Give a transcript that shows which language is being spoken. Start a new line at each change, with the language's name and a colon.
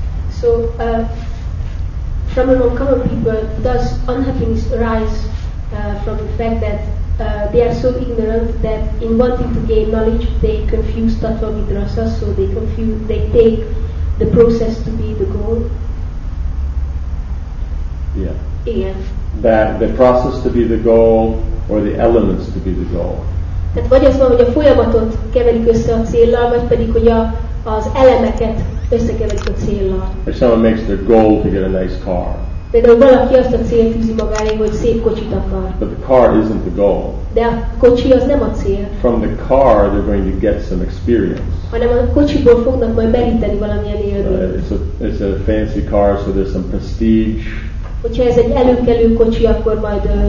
English: So, from among common people, does unhappiness arise from the fact that they are so ignorant that in wanting to gain knowledge, they confuse tattva with rasa, so they confuse, they take the process to be the goal? Yeah. That the process to be the goal, or the elements to be the goal.
Hungarian: Tehát vagy az van, hogy a folyamatot keverik össze a céllal, vagy pedig, hogy az elemeket összekeverik a céllal.
English: If someone makes their goal to get a nice car.
Hungarian: De valaki azt a célt tűzi magáé, hogy szép kocsit akar.
English: But the car isn't the goal.
Hungarian: De a kocsi az nem a cél.
English: From the car they're going to get some experience.
Hungarian: Hanem a kocsiból fognak majd meríteni valamilyen élményt.
English: It's a fancy car, so there's some prestige.
Hungarian: Hogyha ez egy előkelő kocsi, akkor majd